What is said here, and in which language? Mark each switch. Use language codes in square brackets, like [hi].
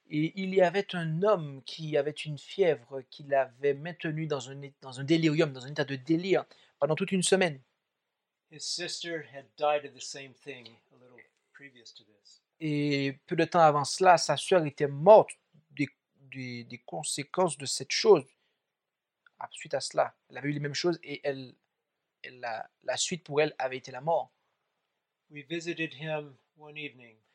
[fr] Et il y avait un homme qui avait une fièvre qui l'avait maintenu dans un délirium, dans un état de délire, pendant toute une semaine. [en] His sister had died of the same thing a little previous to this. [fr] Et peu de temps avant cela, sa sœur était morte des conséquences de cette chose. Suite à cela, elle avait eu les mêmes choses et la suite pour elle avait été la mort. [en] We visited him one evening.